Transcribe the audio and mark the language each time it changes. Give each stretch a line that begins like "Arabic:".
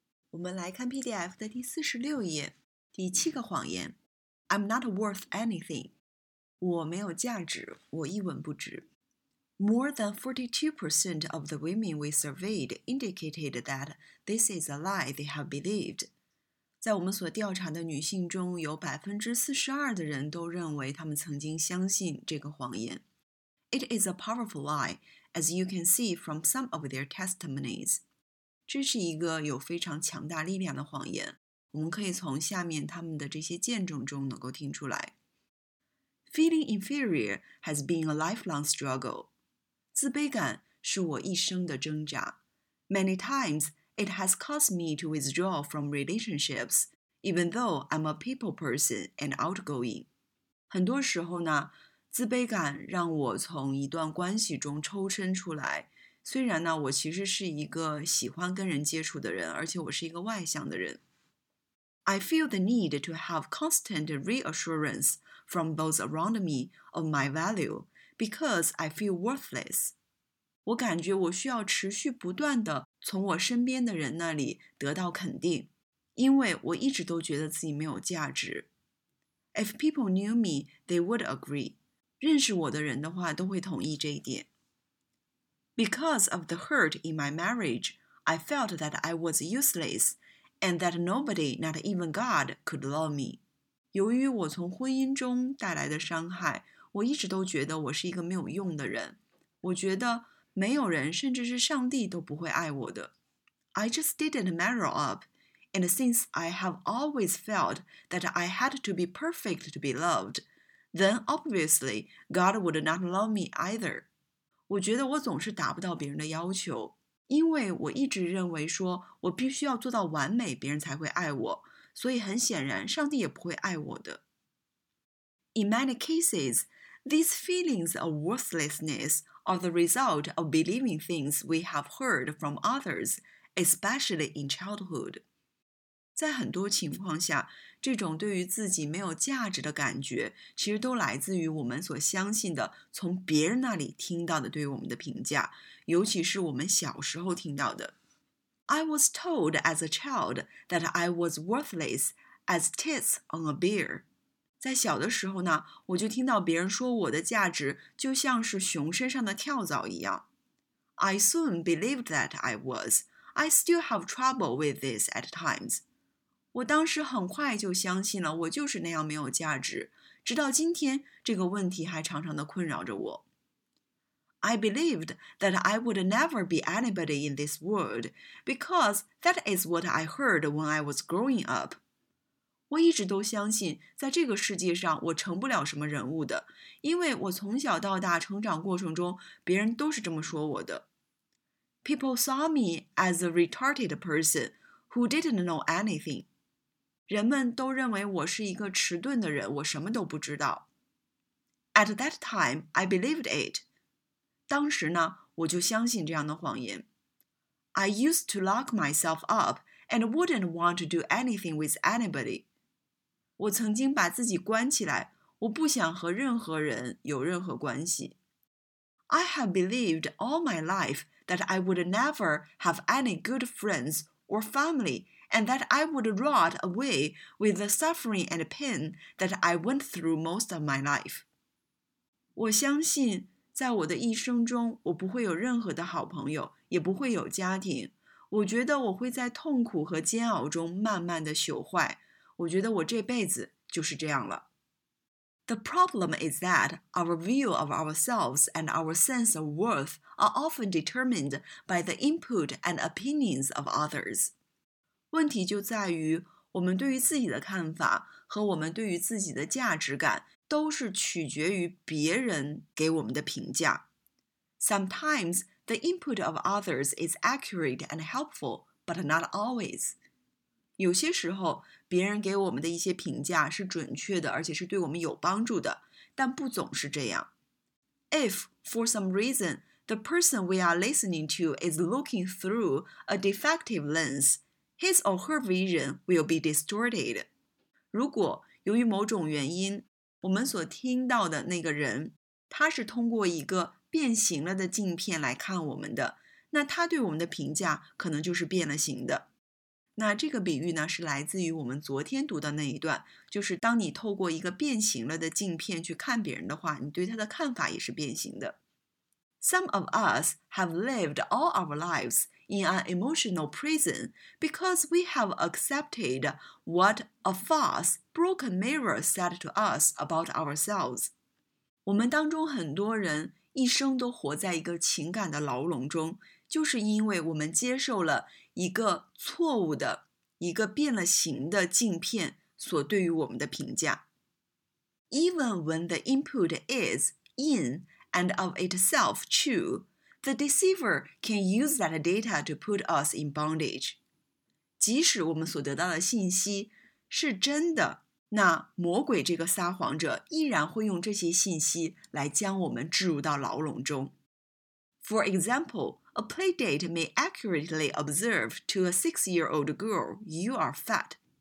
Chinese: 我们来看 PDF 的第46页，第七个谎言。
English: I'm not worth anything.
Chinese: 我没有价值，我一文不值。
English: More than 42% of the women we surveyed indicated that this is a lie they have believed.
Chinese: 在我们所调查的女性中，有 42% 的人都认为她们曾经相信这个谎言。
English: It is a powerful lie, as you can see from some of their testimonies.
Chinese: 这是一个有非常强大力量的谎言，我们可以从下面他们的这些见证中能够听出来。
English: Feeling inferior has been a lifelong struggle.
Chinese: 自卑感是我一生的挣扎。
English: Many times, it has caused me to withdraw from relationships, even though I'm a people person and outgoing.
Chinese: 很多时候呢，自卑感让我从一段关系中抽身出来，虽然呢，我其实是一个喜欢跟人接触的人，而且我是一个外向的人。
English: I feel the need to have constant reassurance from those around me of my value because I feel worthless.
Chinese: 我感觉我需要持续不断地从我身边的人那里得到肯定，因为我一直都觉得自己没有价值。
English: If people knew me, they would agree.
Chinese: 认识我的人的话都会同意这一点。
English: Because of the hurt in my marriage, I felt that I was useless, and that nobody, not even God, could love me.
Chinese: 由于我从婚姻中带来的伤害，我一直都觉得我是一个没有用的人。我觉得没有人，甚至是上帝都不会爱我的。
English: I just didn't measure up, and since I have always felt that I had to be perfect to be loved, then obviously God would not love me either.
Chinese: 我觉得我总是达不到别人的要求，因为我一直认为说我必须要做到完美，别人才会爱我，所以很显然上帝也不会爱我的。
English: In many cases, these feelings of worthlessness are the result of believing things we have heard from others, especially in childhood.
Chinese: 在很多情况下，这种对于自己没有价值的感觉，其实都来自于我们所相信的，从别人那里听到的对于我们的评价，尤其是我们小时候听到的。
English: I was told as a child that I was worthless as tits on a bear.
Chinese: 在小的时候呢，我就听到别人说我的价值就像是熊身上的跳蚤一样。
English: I soon believed that I was. I still have trouble with this at times.
Chinese: 我当时很快就相信了，我就是那样没有价值。直到今天，这个问题还常常的困扰着我。
English: I believed that I would never be anybody in this world because that is what I heard when I was growing up.
Chinese: 我一直都相信，在这个世界上我成不了什么人物的，因为我从小到大成长过程中，别人都是这么说我的。
English: People saw me as a retarded person who didn't know anything.
Chinese: 人们都认为我是一个迟钝的人，我什么都不知道。
English: At that time, I believed it.
Chinese: 当时呢，我就相信这样的谎言。
English: I used to lock myself up and wouldn't want to do anything with anybody.
Chinese: 我曾经把自己关起来，我不想和任何人有任何关系。
English: I have believed all my life that I would never have any good friends or family. And that I would rot away with the suffering and pain that I went through most of my life.
Chinese: 我相信在我的一生中我不会有任何的好朋友，也不会有家庭。我觉得我会在痛苦和煎熬中慢慢的朽坏。我觉得我这辈子就是这样了。
English: The problem is that our view of ourselves and our sense of worth are often determined by the input and opinions of others.
Chinese: 问题就在于我们对于自己的看法和我们对于自己的价值感都是取决于别人给我们的评价。
English: Sometimes the input of others is accurate and helpful, but not always.
Chinese: 有些时候别人给我们的一些评价是准确的，而且是对我们有帮助的，但不总是这样。
English: If, for some reason, the person we are listening to is looking through a defective lens,His or her vision will be distorted.
Chinese: 如果由于某种原因，我们所听到的那个人，他是通过一个变形了的镜片来看我们的，那他对我们的评价可能就是变了形的。那这个比喻呢是来自于我们昨天读的那一段，就是当你透过一个变形了的镜片去看别人的话，你对他的看法也是变形的。
English: Some of us have lived all our lives in an emotional prison because we have accepted what a false broken mirror said to us about ourselves.
Chinese: 我们当中很多人一生都活在一个情感的牢笼中，就是因为我们接受了一个错误的、一个变了形的镜片所对于我们的评价。
English: Even when the input is in and of itself true, the deceiver can use that data to put us in bondage.
Chinese: 即使我们所得到的信息是真的，那魔鬼这个撒谎者依然会用这些信息来将我们置入到牢笼中。
English: For example,A playdate may accurately observe to a six-year-old girl, you are fat.